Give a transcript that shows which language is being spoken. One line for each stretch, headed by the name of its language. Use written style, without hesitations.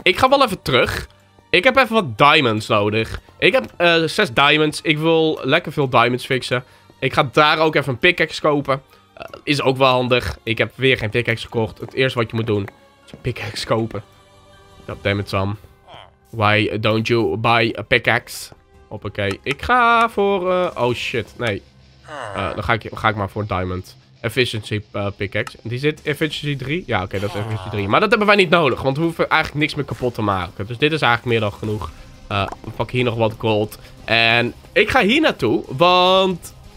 Dutch: Ik ga wel even terug. Ik heb even wat diamonds nodig. Ik heb 6 diamonds. Ik wil lekker veel diamonds fixen. Ik ga daar ook even een pickaxe kopen. Is ook wel handig. Ik heb weer geen pickaxe gekocht. Het eerste wat je moet doen is een pickaxe kopen.
English: God damn it, Sam. Why don't you buy a pickaxe?
Dutch: Hoppakee. Ik ga voor... oh shit. Nee. Dan ga ik maar voor diamond. Efficiency pickaxe. Die zit efficiency 3. Ja, oké. Okay, dat is efficiency 3. Maar dat hebben wij niet nodig. Want we hoeven eigenlijk niks meer kapot te maken. Dus dit is eigenlijk meer dan genoeg. We pakken hier nog wat gold. En ik ga hier naartoe. Want...